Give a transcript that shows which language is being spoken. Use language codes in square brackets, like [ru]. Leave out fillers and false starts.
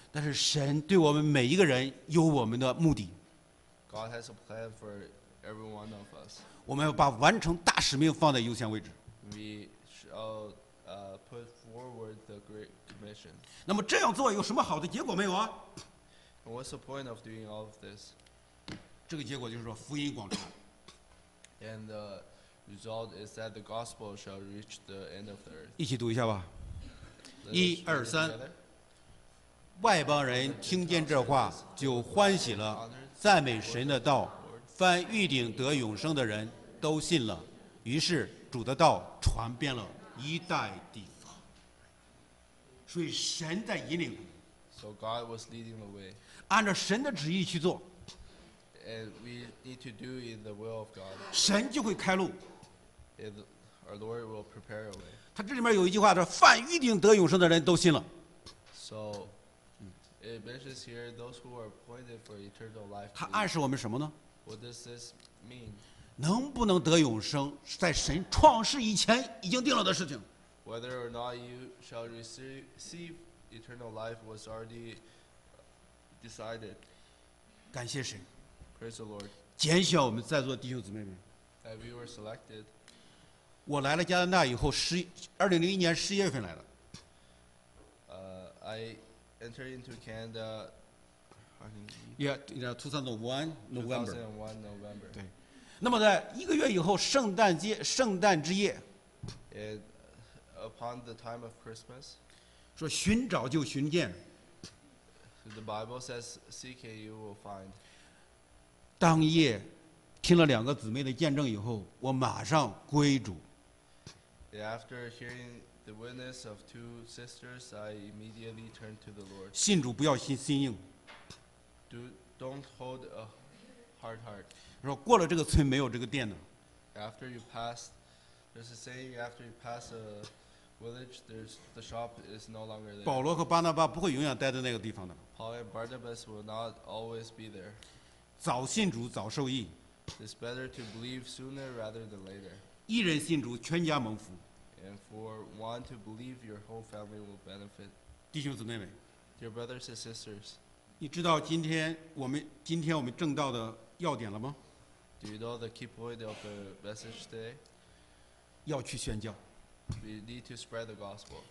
[zh] 但是神对我们每一个人有我们的目的。 [en] God has a plan for every one of us. [zh] 我们要把完成大使命放在优先位置。 [en] We shall put forward the Great Commission. [zh] 那么这样做有什么好的结果没有啊？ [en] What's the point of doing all of this? [zh] 这个结果就是说福音广传。 [en] And the result is that the gospel shall reach the end of the earth. [zh] 一起读一下吧。一二三。外邦人听见这话就欢喜了，赞美神的道，凡预定得永生的人都信了，于是主的道传遍了一代地方。所以神在引领。 [en] So God was leading the way. [zh] 按照神的旨意去做。 [en] And we need to do in the will of God. [zh] 神就会开路。 [en] And our Lord will prepare a way. [zh] 他这里面有一句话，说凡预定得永生的人都信了。 [en] So. It mentions here those who are appointed for eternal life. [zh] 他暗示我们什么呢？ [en] What does this mean? [zh] 能不能得永生，在神创世以前已经定了的事情。 [en] Whether or not you shall receive eternal life was already decided. [zh] 感谢神。 [en] Praise the Lord. [zh] 拣选我们在座弟兄姊妹们。 [en] That we were selected. [zh] 我来了加拿大以后，2001年十一月份来的。 [en] I Enter into Canada. Yeah, 2001 November. [zh] 对，那么在一个月以后，圣诞之夜。 [en] And upon the time of Christmas. [zh] 说寻找就寻见。 [en] The Bible says, "Seek and you will find." [zh] 当夜，听了两个姊妹的见证以后，我马上归主。 [en] After hearing. The witness of two sisters, I immediately turned to the Lord. [zh] 信主不要心硬。 [en] Don't hold a hard heart. [zh] 说过了这个村没有这个店呢。 [en] After you pass, there's a saying. After you pass a village, there's the shop is no longer there. [zh] 保罗和巴拿巴不会永远待在那个地方的。 [en] Paul and Barnabas will not always be there. [zh] 早信主早受益。 [en] It's better to believe sooner rather than later. [zh] 一人信主，全家蒙福。 [en] And for one to believe, your whole family will benefit. [zh] 弟兄姊妹们 [en] ，Dear brothers and sisters, [zh] 你知道今天我们正道的要点了吗 [en] ？Do you know the key point of the message today? [zh] 要去宣教。 [en] We need to spread the gospel.